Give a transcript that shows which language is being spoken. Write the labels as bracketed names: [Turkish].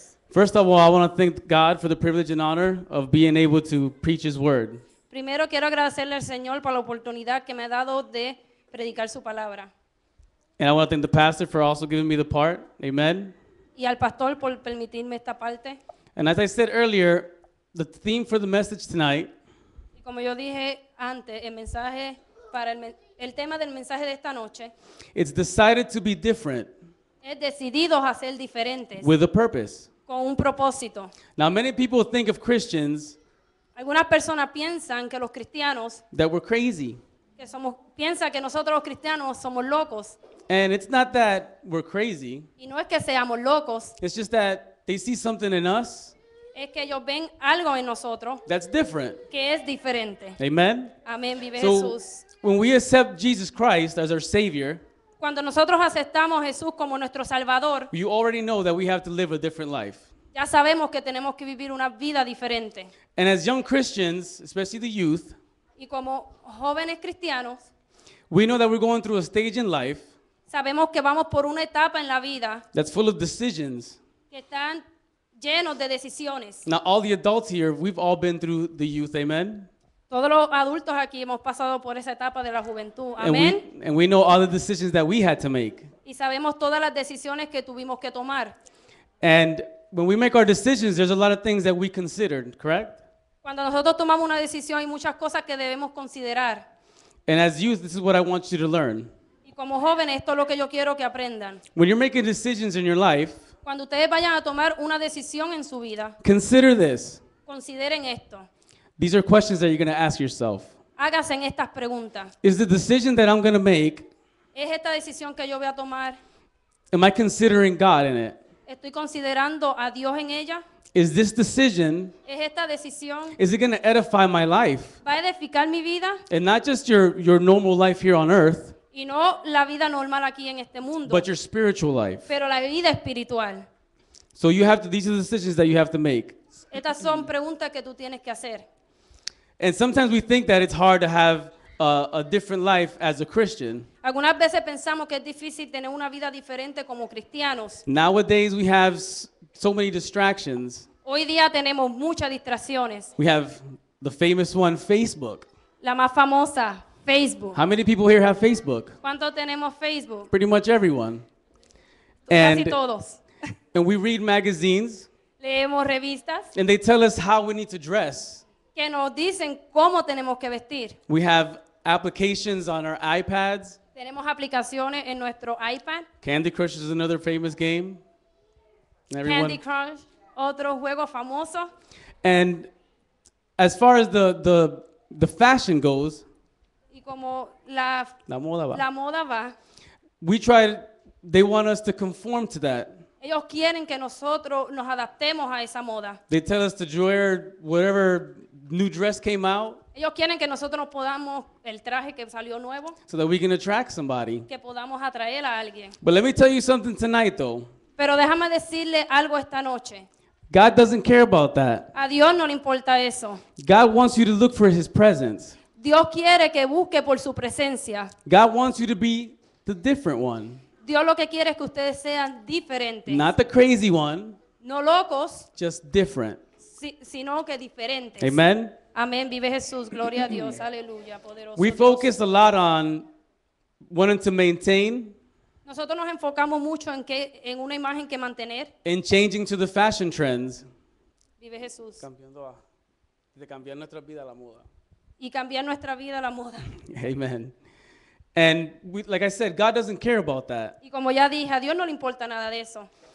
[English] First of all, I want to thank God for the privilege and honor of being able to preach his word. [Spanish] Primero quiero agradecerle al Señor por la oportunidad que me ha dado de predicar su palabra. [English] And I want to thank the pastor for also giving me the part. Amen. [Spanish] Y al pastor por permitirme esta parte. [English] And as I said earlier, the theme for the message tonight. [Spanish] Y como yo dije antes, el mensaje para el tema del mensaje de esta noche. [English] It's decided to be different. [Spanish] Es decidido a ser diferente. [English] With a purpose. [Spanish] Con un propósito. [English] Now many people think of Christians. [Spanish] Algunas personas piensan que los cristianos. [English] That we're crazy. [Spanish] Que somos, piensa que nosotros los cristianos somos locos. [English] And it's not that we're crazy. [Spanish] Y no es que seamos locos. [English] It's just that they see something in us. [Spanish] Es que ellos ven algo en nosotros. [English] That's different. [Spanish] Que es diferente. [English] Amen. [Spanish] Amén. Vive so, Jesús. [English] When we accept Jesus Christ as our Savior. [Spanish] Cuando nosotros aceptamos a Jesús como nuestro Salvador. [English] You already know that we have to live a different life. [Spanish] Ya sabemos que tenemos que vivir una vida diferente. [English] And as young Christians, especially the youth, [Spanish] y como jóvenes cristianos, [English] we know that we're going through a stage in life, [Spanish] sabemos que vamos por una etapa en la vida, [English] that's full of decisions, [Spanish] que están llenos de decisiones. [English] Now all the adults here, we've all been through the youth, amen? [Spanish] Todos los adultos aquí hemos pasado por esa etapa de la juventud, amen? [English] And we know all the decisions that we had to make, [Spanish] y sabemos todas las decisiones que tuvimos que tomar. [English] And when we make our decisions, there's a lot of things that we considered, correct? [Spanish] Cuando nosotros tomamos una decisión, hay muchas cosas que debemos considerar. [English] And as youth, this is what I want you to learn. [Spanish] Y como jóvenes, esto es lo que yo quiero que aprendan. [English] When you're making decisions in your life, [Spanish] cuando ustedes vayan a tomar una decisión en su vida, [English] consider this. [Spanish] Consideren esto. [English] These are questions that you're going to ask yourself. [Spanish] Háganse estas preguntas. [English] Is the decision that I'm going to make, [Spanish] es esta decisión que yo voy a tomar, [English] am I considering God in it? [Spanish] Estoy considerando a Dios en ella. [English] Is this decision, [Spanish] es esta decisión, [English] is it going to edify my life? [Spanish] Va a edificar mi vida? [English] And not just your normal life here on earth, [Spanish] y no la vida normal aquí en este mundo, [English] but your spiritual life. [Spanish] Pero la vida espiritual. [English] So you have to, these are the decisions that you have to make. [Spanish] Estas son preguntas que tú tienes que hacer. [English] And sometimes we think that it's hard to have a different life as a Christian. [Spanish] Algunas veces pensamos que es difícil tener una vida diferente como cristianos. [English] Nowadays we have so many distractions. [Spanish] Hoy día tenemos muchas distracciones. [English] We have the famous one, Facebook. [Spanish] La más famosa, Facebook. [English] How many people here have Facebook? [Spanish] ¿Cuánto tenemos Facebook? [English] Pretty much everyone. [Spanish] Casi todos. [English] And we read magazines. [Spanish] Leemos revistas. [English] And they tell us how we need to dress. [Spanish] Que nos dicen cómo tenemos que vestir. [English] We have applications on our iPads. [Spanish] Tenemos aplicaciones en nuestro iPad. [English] Candy Crush is another famous game. Everyone. [Spanish] Candy Crush, otro juego famoso. [English] And as far as the fashion goes, [Spanish] y como la moda va, [English] we try, they want us to conform to that. [Spanish] Ellos quieren que nosotros nos adaptemos a esa moda. [English] They tell us to wear whatever new dress came out. [Spanish] Ellos quieren que nosotros podamos el traje que salió nuevo. [English] So that we can attract somebody. [Spanish] Que podamos atraer a alguien. [English] But let me tell you something tonight, though. [Spanish] Pero déjame decirle algo esta noche. [English] God doesn't care about that. [Spanish] A Dios no le importa eso. [English] God wants you to look for His presence. [Spanish] Dios quiere que busque por su presencia. [English] God wants you to be the different one. [Spanish] Dios lo que quiere es que ustedes sean diferentes. [English] Not the crazy one. [Spanish] No locos. [English] Just different. [Spanish] Sino que diferentes. [English] Amen. [Spanish] Amén. Vive Jesús. Gloria a Dios. Aleluya. Poderoso. [English] We focus a lot on wanting to maintain. [Spanish] Nosotros nos enfocamos mucho en que en una imagen que mantener. [English] In changing to the fashion trends. [Spanish] Vive Jesús. Cambiando a de cambiar nuestra vida a la moda. Y cambiar nuestra vida a la moda. [English] Amen. And we, like I said, God doesn't care about that. [Spanish] Y como ya dije, a Dios no le importa nada de eso.